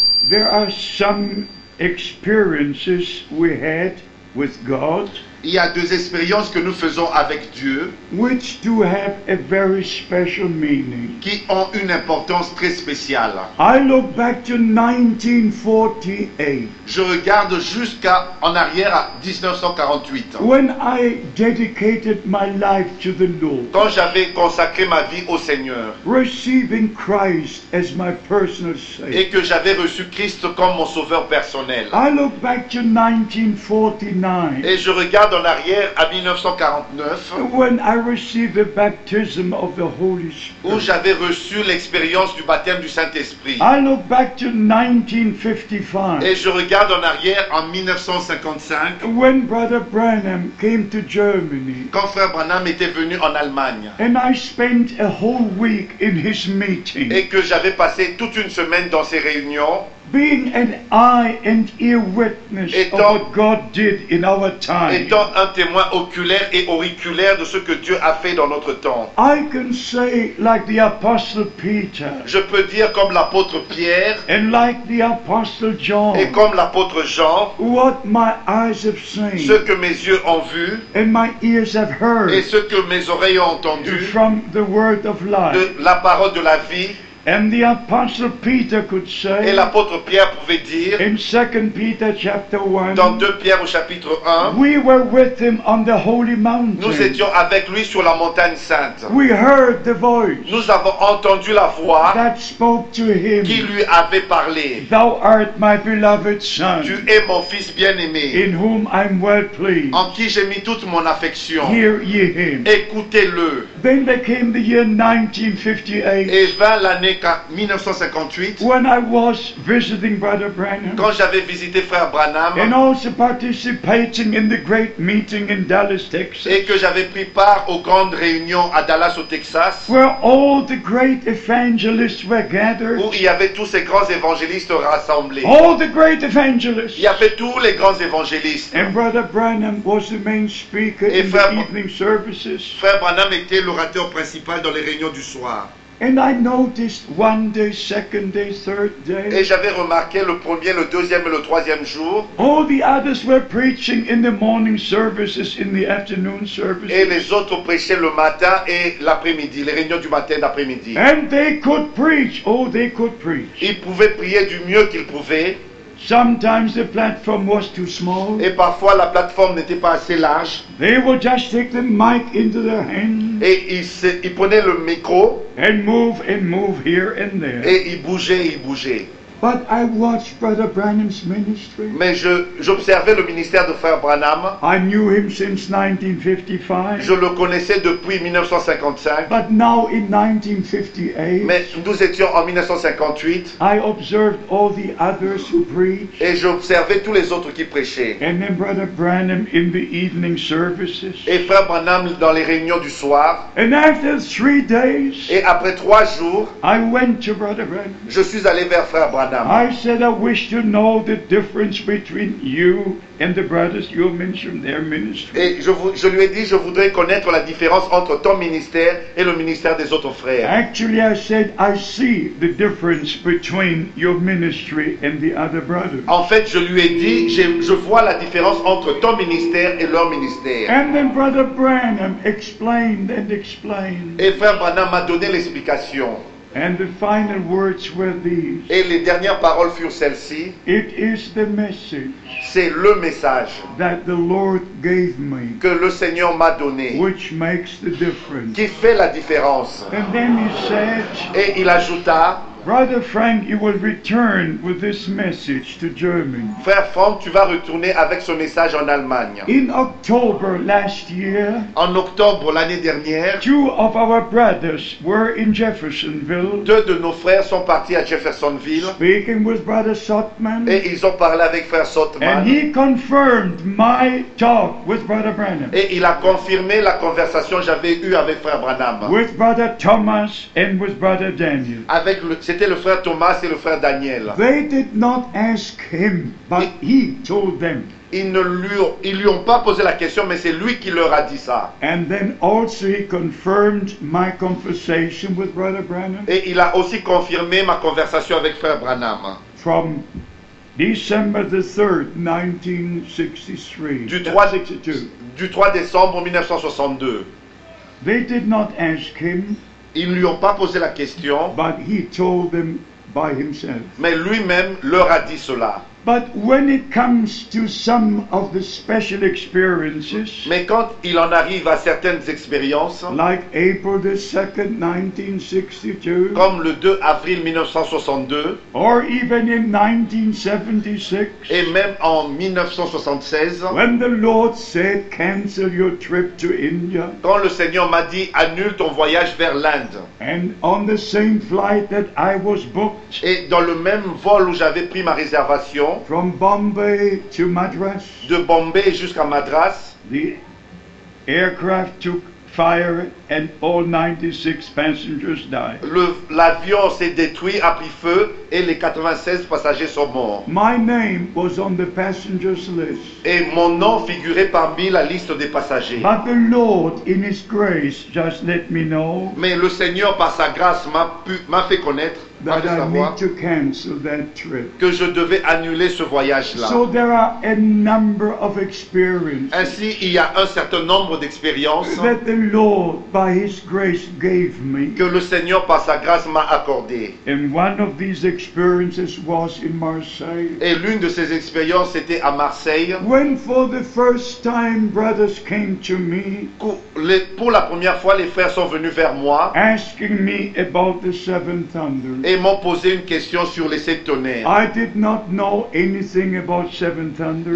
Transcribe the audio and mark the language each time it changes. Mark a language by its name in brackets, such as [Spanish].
[English] There are some experiences we had with God. [French] Il y a deux expériences que nous faisons avec Dieu [English] which do have a very special meaning. [French] Qui ont une importance très spéciale. [English] I look back to 1948. [French] Je regarde jusqu'à en arrière à 1948. [English] When I dedicated my life to the Lord, [French] quand j'avais consacré ma vie au Seigneur, [English] receiving Christ as my personal savior, [French] et que j'avais reçu Christ comme mon sauveur personnel. [English] I look back to 1949. [French] Et je regarde dans l'arrière à 1949, [English] when I received the baptism of the Holy Spirit, [French] où j'avais reçu l'expérience du baptême du Saint-Esprit. [English] I look back to 1955, [French] et je regarde en arrière en 1955, [English] when Brother Branham came to Germany, [French] quand Frère Branham était venu en Allemagne, [English] and I spent a whole week in his meeting, [French] et que j'avais passé toute une semaine dans ses réunions. [English] Being an eye and ear witness [French] étant, [English] of what God did in our time. [French] Étant un témoin oculaire et auriculaire de ce que Dieu a fait dans notre temps. [English] I can say like the apostle Peter. [French] Je peux dire comme l'apôtre Pierre. [English] And like the apostle John. [French] Et comme l'apôtre Jean. [English] What my eyes have seen. [French] Ce que mes yeux ont vu. [English] And my ears have heard. [French] Et ce que mes oreilles ont entendu. [English] From the word of life. [French] De la parole de la vie. [English] And the Apostle Peter could say, [French] et l'apôtre Pierre pouvait dire [English] in 2 Peter chapter 1, [French] dans 2 Pierre au chapitre 1, [English] we were with him on the holy mountain. [French] Nous étions avec lui sur la montagne sainte. [English] We heard the voice, [French] nous avons entendu la voix [English] that spoke to him, [French] qui lui avait parlé. [English] Thou art my beloved son, [French] tu es mon fils bien-aimé, [English] in whom I'm well pleased, [French] en qui j'ai mis toute mon affection. [English] Hear ye him. [French] Écoutez-le. [English] Then there came the year 1958. [French] Et vint l'année 1958, quand j'avais visité frère Branham, [English] and also participating in the great meeting in Dallas, Texas, [French] et que j'avais pris part aux grandes réunions à Dallas au Texas, [English] where all the great evangelists were gathered, [French] où il y avait tous ces grands évangélistes rassemblés. [English] All the great evangelists. [French] Il y avait tous les grands évangélistes. [English] And brother Branham was the main speaker in the evening services. [French] Frère Branham était l'orateur principal dans les réunions du soir. [English] And I noticed one day, second day, third day. [French] Et j'avais remarqué le premier, le deuxième et le troisième jour. [English] All the others were preaching in the morning services, in the afternoon services. [French] Et les autres prêchaient le matin et l'après-midi, les réunions du matin et d'après-midi. [English] And they could preach. Oh, they could preach. [French] Ils pouvaient prier du mieux qu'ils pouvaient. [English] Sometimes the platform was too small. [French] Et parfois la plateforme n'était pas assez large. [English] They would just take the mic into their hands. [French] Et ils prenaient le micro. [English] And move here and there. [French] Et ils bougeaient, ils bougeaient. [English] But I watched Brother Branham's ministry. [French] Mais j'observais le ministère de frère Branham. [English] I knew him since 1955. [French] Je le connaissais depuis 1955. [English] But now in 1958. [French] Mais nous étions en 1958. [English] I observed all the others who preached. [French] Et j'observais tous les autres qui prêchaient. [English] And then Brother Branham in the evening services. [French] Et frère Branham dans les réunions du soir. [English] And after 3 days. [French] Et après 3 jours. [English] I went to Brother Branham. [French] Je suis allé vers frère Branham. [English] I said, I wish to know the difference between you and the brothers you mentioned their ministry. [French] Et je lui ai dit, je voudrais connaître la différence entre ton ministère et le ministère des autres frères. [English] Actually, I said, I see the difference between your ministry and the other brothers. [French] En fait, je lui ai dit, je vois la différence entre ton ministère et leur ministère. [English] And then Brother Branham explained and explained. [French] Et frère Branham m'a donné l'explication. [English] And the final words were these. [French] Et les dernières paroles furent celles-ci. [English] It is the message. [French] C'est le message. [English] That the Lord gave me. [French] Que le Seigneur m'a donné. [English] Which makes the difference. [French] Qui fait la différence. [English] And then he said. [French] Et il ajouta. [English] Brother Frank, you will return with this message to Germany. [French] Frère Frank, tu vas retourner avec ce message en Allemagne. [English] In October last year, [French] en octobre l'année dernière, [English] 2 of our brothers were in Jeffersonville. [French] 2 de nos frères sont partis à Jeffersonville. [English] Speaking with Brother Sotman. [French] Et ils ont parlé avec frère Sotman. [English] And he confirmed my talk with Brother Branham. [French] Et il a confirmé la conversation que j'avais eue avec frère Branham. [English] With Brother Thomas and with Brother Daniel. [French] Avec c'était le frère Thomas et le frère Daniel. [English] They did not ask him, but he told them. [French] Ils lui ont pas posé la question, mais c'est lui qui leur a dit ça. [English] And then also he confirmed my conversation with Brother Branham. [French] Et il a aussi confirmé ma conversation avec frère Branham. [English] From December the 3rd, 1963. [French] Du 3 décembre 1962. [English] They did not ask him. [French] Ils ne lui ont pas posé la question. [English] But he told them by himself. [French] Mais lui-même leur a dit cela. [English] But when it comes to some of the special experiences, [French] mais quand il en arrive à certaines expériences, [English] like April the 2nd, 1962, [French] comme le 2 avril 1962, [English] or even in 1976, [French] et même en 1976, [English] when the Lord said, cancel your trip to India, [French] quand le Seigneur m'a dit, annule ton voyage vers l'Inde, [English] and on the same flight that I was booked, [French] et dans le même vol où j'avais pris ma réservation, [English] from Bombay to Madras, [French] de Bombay jusqu'à Madras, [English] the aircraft took fire and all 96 passengers died. [French] L'avion s'est détruit, a pris feu et les 96 passagers sont morts. [English] My name was on the passengers list. [French] Et mon nom figurait parmi la liste des passagers. [English] But the Lord, in His grace, just let me know. [French] Mais le Seigneur, par sa grâce, m'a fait connaître. [English] that I need to cancel that trip. [French] Que je devais annuler ce voyage-là. [English] So there are a number of experiences. [French] Ainsi, il y a un certain nombre d'expériences. [English] That the Lord, by His grace, gave me. [French] Que le Seigneur, par sa grâce, m'a accordé. [English] And one of these experiences was in Marseille. [French] Et l'une de ces expériences était à Marseille. [English] When for the first time brothers came to me. [French] Pour la première fois, les frères sont venus vers moi. [English] Asking me about the seven thunders. [French] Et m'ont posé une question sur les sept tonnerres. [English] I did not know anything about seven thunders.